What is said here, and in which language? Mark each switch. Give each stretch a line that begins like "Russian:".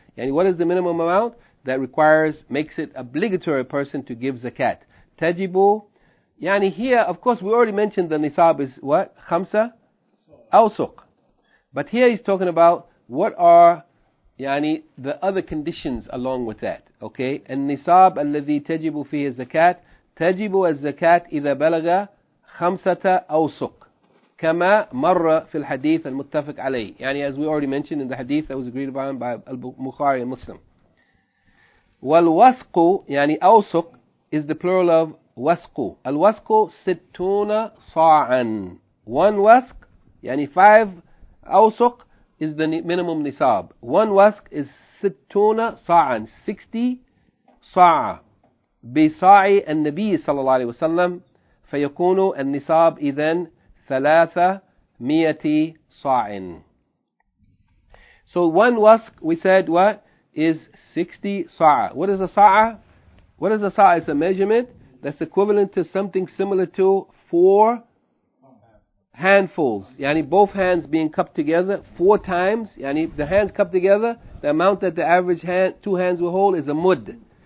English: Yani what is the minimum amount that requires, makes it obligatory a person to give zakat? تجب, yani here, of course, we already mentioned the nisab is what?
Arabic: خمسة أوسق.
English: But here he's talking about what are yani the other conditions along with that.
Arabic: Okay, النصاب الذي تجب فيه الزكات. تجب الزكاة إذا بلغ خمسة أوسق كما مر في الحديث المتفق عليه.
English: يعني as we already mentioned in the hadith that was agreed upon by Al-Bukhari and Muslim. والوسق يعني أوسق is the plural of وسق.
Arabic: الوسق ستون صاعا.
English: One وسق يعني five أوسق is the minimum نصاب. One وسق is
Arabic: ستون صاعا.
English: 60 صاعا.
Arabic: بصاع النبي صلى الله عليه وسلم فيكون النصاب إذن 300 صاع.
English: So one wasq we said what is 60 صاع. What is a صاع? What is a صاع? It's a measurement that's equivalent to something similar to four handfuls. يعني both hands being cupped together four times. يعني the hands cupped together, the amount that the average hand, two hands will hold is a mud.